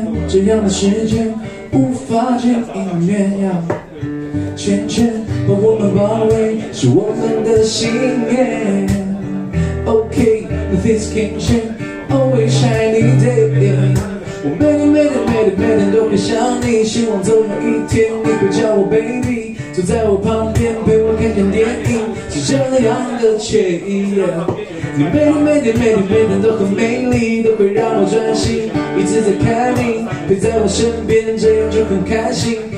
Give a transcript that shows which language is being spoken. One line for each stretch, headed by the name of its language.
Chinese: 这样的时间无法见一面呀，渐渐把我们包围，是我们的信念。
English: OK, nothing's can change, always shiny day.
Chinese: 我每天每天每天每天都会想你，希望总有一天你会叫我 baby, 坐在我旁边陪我看看电影，是这样的惬意。你每天每天每天每天都很美丽，都会让我专心，一直在看你，陪在我身边，这样就很开心。